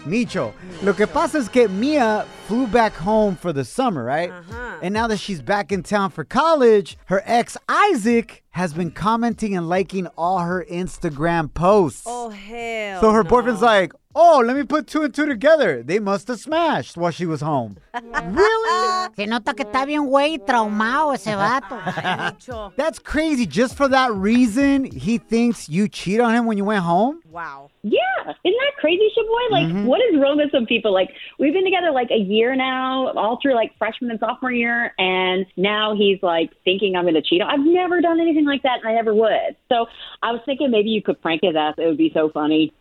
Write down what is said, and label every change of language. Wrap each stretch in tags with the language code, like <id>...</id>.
<en>Micho.</en> <es>Lo que pasa es que</es> <en>Mia flew back home for the summer, right? Uh-huh. And now that she's back in town for college, her ex Isaac has been commenting and liking all her Instagram posts. Oh, hell. So her no. boyfriend's like, oh, let me put two and two together. They must have smashed while she was home. Really?</en> <es>Se nota que está bien güey traumado ese vato.</es> <en>That's crazy. Just for that reason, he thinks you cheated on him when you went home? Wow. Yeah. Isn't that crazy, Shoboy? Like, mm-hmm. what is wrong with some people? Like, we've been together like a year now, all through like freshman and sophomore year, and now he's like thinking I'm going to cheat. I've never done anything like that, and I never would. So I was thinking maybe you could prank his ass. It would be so funny.</en>